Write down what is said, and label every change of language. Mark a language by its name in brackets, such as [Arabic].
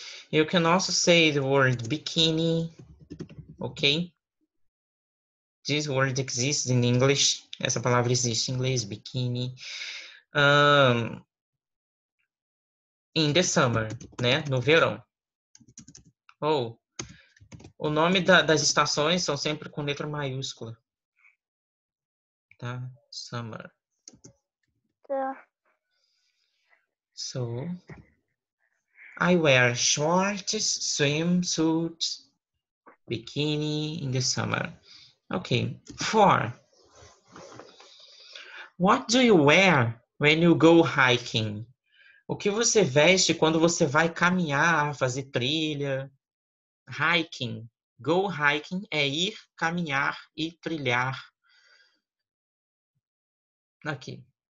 [English] You can also say the word bikini, okay? This word exists in English. [Portuguese] Essa palavra existe em inglês, bikini. [English] In the summer, [Portuguese] né? No verão. Oh, o nome das estações são sempre com letra maiúscula. Tá? Summer. [English] So, I wear shorts, swimsuits, bikini in the summer. Okay, four. What do you wear when you go hiking? [Portuguese] O que você veste quando você vai caminhar, fazer trilha? Hiking. Go hiking é ir, caminhar e trilhar. Aqui.